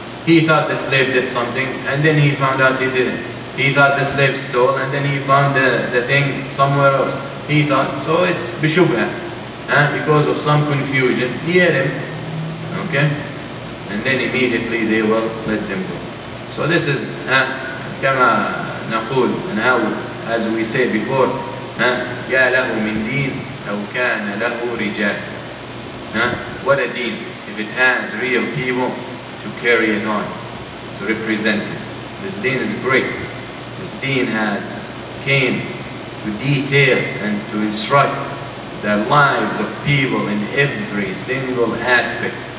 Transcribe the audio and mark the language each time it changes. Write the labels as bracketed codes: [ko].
[en] He thought the slave did something, and then he found out he didn't. He thought the slave stole, and then he found the thing somewhere else. He thought, so it's بشبهة. Because of some confusion, he hit him. Okay? And then immediately they will let them go. So this is [ar] كما نقول [en] and how, as we say before, [ar] يا له من دين أو كان له رجال. [en] What a deen. If it has real people to carry it on, to represent it. This deen is great. This deen has came to detail and to instruct the lives of people in every single aspect.